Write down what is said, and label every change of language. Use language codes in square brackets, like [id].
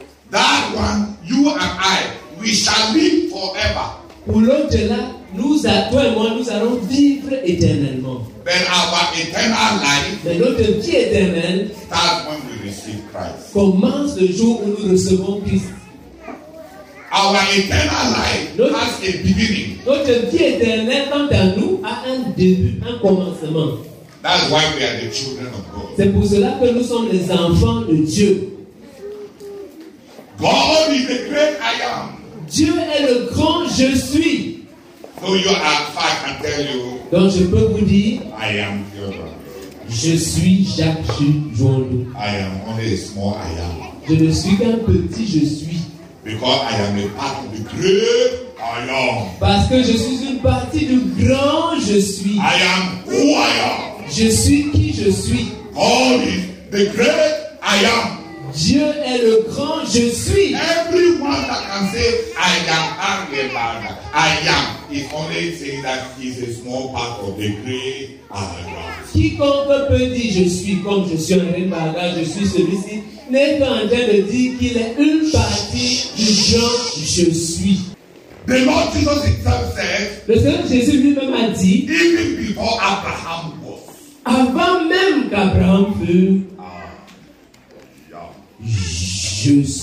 [en] That one, you and I, we shall live forever. [fr] Pour l'autre là, nous, toi et moi, nous allons vivre éternellement. [en] But our eternal life, [fr] mais notre vie éternelle, [en] starts when we receive Christ. [fr] Commence le jour où nous recevons Christ. [en] Our eternal life has a beginning. [fr] Notre vie éternelle, quant à nous, a un début, un commencement. [en] That's why we are the children of God. [fr] C'est pour cela que nous sommes les enfants de Dieu. [en] God is the great I am. [fr] Dieu est le grand je suis. [en] So you are fact, I tell you. [fr] Donc je peux vous dire. [en] I am God. [fr] Je suis Jacques Jondou. [en] I am only a small I am. [fr] Je ne suis qu'un petit je suis. [en] Because I am a part of the great I am. [fr] Parce que je suis une partie du grand je suis. [en] I am who I am. [fr] Je suis qui je suis. [en] God is the great I am. [fr] Dieu est le grand je suis. [en] Everyone that can say I am Angelina, I am, is only saying that he is a small part of the great I am. [fr] Quiconque peut dire je suis comme je suis un rembarga, je suis celui-ci, n'est pas en train de dire qu'il est une partie du grand je suis. [en] The Lord Jesus himself said, [fr] le Seigneur Jésus lui-même a dit, [en] even before Abraham. [fr] Avant même qu'Abraham fût, je suis.